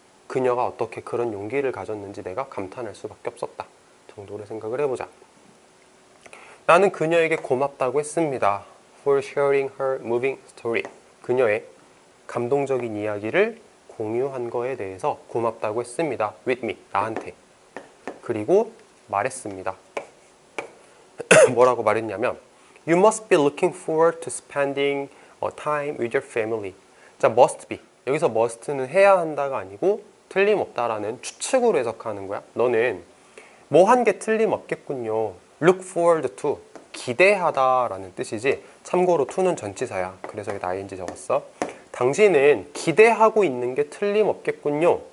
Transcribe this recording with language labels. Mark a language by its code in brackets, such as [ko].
[ko] 그녀가 어떻게 그런 용기를 가졌는지 내가 감탄할 수밖에 없었다. 정도로 생각을 해보자. 나는 그녀에게 고맙다고 했습니다. [en] For sharing her moving story. [ko] 그녀의 감동적인 이야기를 공유한 거에 대해서 고맙다고 했습니다. [en] With me, [ko] 나한테. 그리고 말했습니다. 뭐라고 말했냐면 [en] You must be looking forward to spending a time with your family. [ko] 자, [en] must be. [ko] 여기서 must는 해야 한다가 아니고 틀림없다라는 추측으로 해석하는 거야. 너는 뭐 한 게 틀림없겠군요. [en] Look forward to. [ko] 기대하다 라는 뜻이지. 참고로 to는 전치사야. 그래서 여기다 ing 적었어. 당신은 기대하고 있는 게 틀림없겠군요.